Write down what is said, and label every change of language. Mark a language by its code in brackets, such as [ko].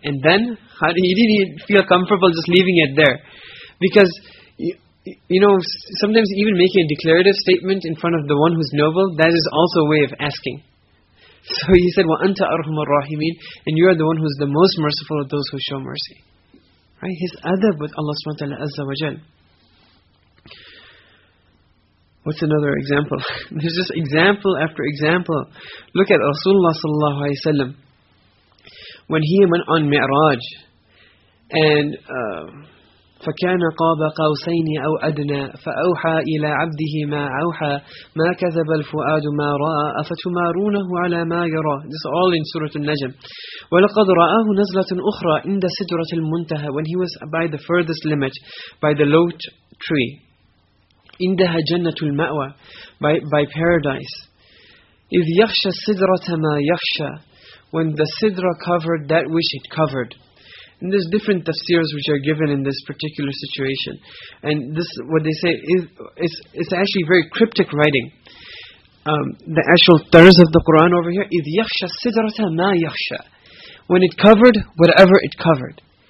[en] And then he didn't feel comfortable just leaving it there, because you know, sometimes even making a declarative statement in front of the one who's noble, that is also a way of asking. So he said, [ar] "Wa anta arhumur rahimin," [en] and you are the one who's the most merciful of those who show mercy, right? His adab with Allah subhanahu wa ta'ala azza wa jal. What's another example? There's just example after example. Look at Rasulullah sallallahu alaihi wasallam when he went on Mi'raj, and [ar] فَكَانَ قَابَ قَوْسَيْنِ أَوْ أَدْنَى فَأَوْحَى إِلَىٰ عَبْدِهِ مَا أَوْحَى مَا كَذَبَ الْفُؤَادُ مَا رَأَى أَفَتُمَارُونَهُ عَلَىٰ مَا يَرَى. [en] This is all in Surah Al-Najm. [ar] وَلَقَدْ رَأَهُ نَزْلَةٌ أُخْرَى عِنْدَ سِدْرَةِ الْمُنْتَهَى. [en] When he was by the furthest limit, by the low tree. [ar] إِنْدَهَا جَنَّةُ الْمَأْوَى, [en] by paradise. [ar] إِذْ يَخْشَ السِّدْرَةَ مَا يَخْشَى, [en] when the sidra covered that which it covered. And there's different tafsirs which are given in this particular situation. And this, what they say, it's actually very cryptic writing. The actual terms of the Qur'an over here, [ar] إِذْ يَخْشَ السِّدْرَةَ مَا يَخْشَى, [en] when it covered whatever it covered.